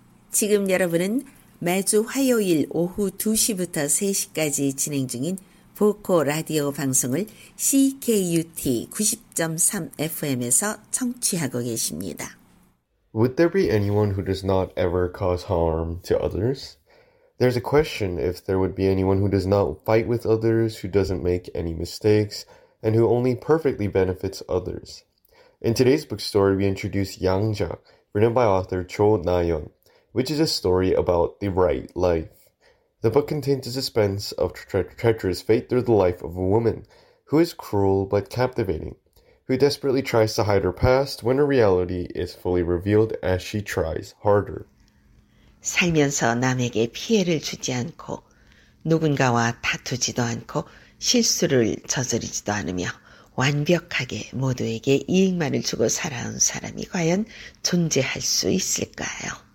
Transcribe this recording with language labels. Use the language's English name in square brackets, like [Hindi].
[Korean] 지금 여러분은 매주 화요일 오후 2시부터 3시까지 진행 중인 보코 라디오 방송을 CKUT 90.3 FM에서 청취하고 계십니다. [English] Would there be anyone who does not ever cause harm to others? There's a question if there would be anyone who does not fight with others, who doesn't make any mistakes, and who only perfectly benefits others. In today's book story, we introduce Yangja, written by author Cho Na-young, which is a story about the right life. The book contains a suspense of treacherous fate through the life of a woman, who is cruel but captivating, who desperately tries to hide her past when her reality is fully revealed as she tries harder. [Korean] 살면서 남에게 피해를 주지 않고 누군가와 다투지도 않고 실수를 저지르지도 않으며 완벽하게 모두에게 이익만을 주고 살아온 사람이 과연 존재할 수 있을까요?